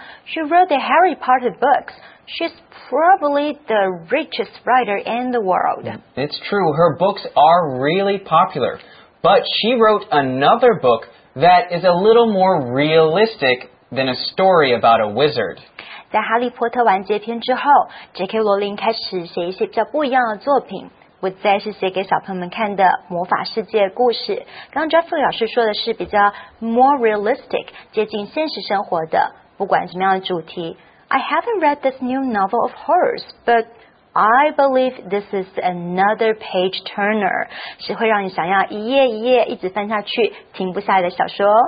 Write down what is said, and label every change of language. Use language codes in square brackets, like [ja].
[en] She wrote the Harry Potter books. She's probably the richest writer in the world. It's true. Her books are really popular. But she wrote another book that is a little more realistic than a story about a wizard. [zh] 在哈利波特完结篇之后 J.K. 罗琳开始写一些比较不一样的作品。不再是写给小朋友们看的魔法世界故事。刚 Jeffrey 老师说的是比较 [en] more realistic, [zh] 接近现实生活的不管什么样的主题。 [en] I haven't read this new novel of hers, but I believe this is another page turner. [zh] 是会让你想要一页一页一直翻下去停不下来的小说。